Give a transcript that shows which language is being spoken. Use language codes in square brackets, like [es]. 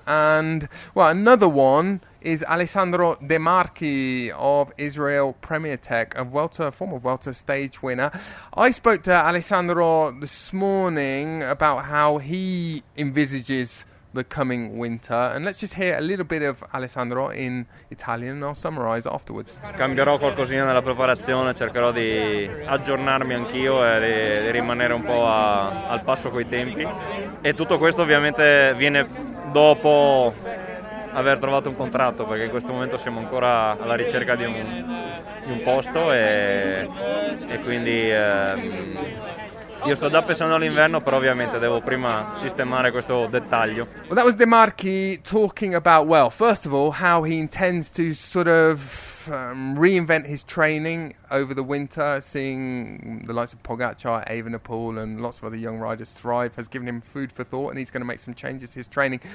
[en] And, well, another one is Alessandro De Marchi of Israel Premier Tech, a former Vuelta stage winner. I spoke to Alessandro this morning about how he envisages the coming winter. And let's just hear a little bit of Alessandro in Italian and I'll summarize afterwards. [it] Cambierò qualcosina nella preparazione, cercherò di aggiornarmi anch'io e di rimanere un po' al passo coi tempi. E tutto questo ovviamente viene dopo aver trovato un contratto, perché in questo momento siamo ancora alla ricerca di un posto e quindi Io sto già pensando all'inverno, però ovviamente devo prima sistemare questo dettaglio. [en] Well, that was De Marchi talking about, well, first of all, how he intends to sort of reinvent his training over the winter, seeing the likes of Pogacar, Evenepoel and lots of other young riders thrive has given him food for thought, and he's going to make some changes to his training.